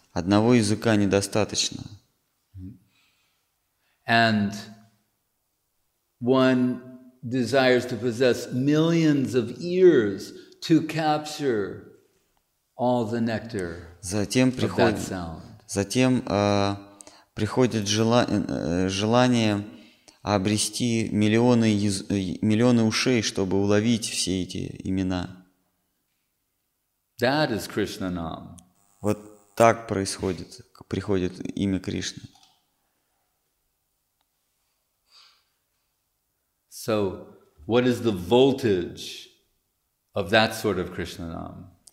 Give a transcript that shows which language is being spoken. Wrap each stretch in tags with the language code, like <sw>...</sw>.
<ru>Одного языка недостаточно.</ru> <en>And one desires to possess millions of ears to capture all the nectar of that sound.</en> <ru>Затем приходит желание обрести миллионы ушей, чтобы уловить все эти имена.</ru> <en>That is Krishna Nam.</en> <ru>Вот так происходит, приходит имя Кришны.</ru> <en>So, what is the voltage of that sort of Krishna Nam?</en>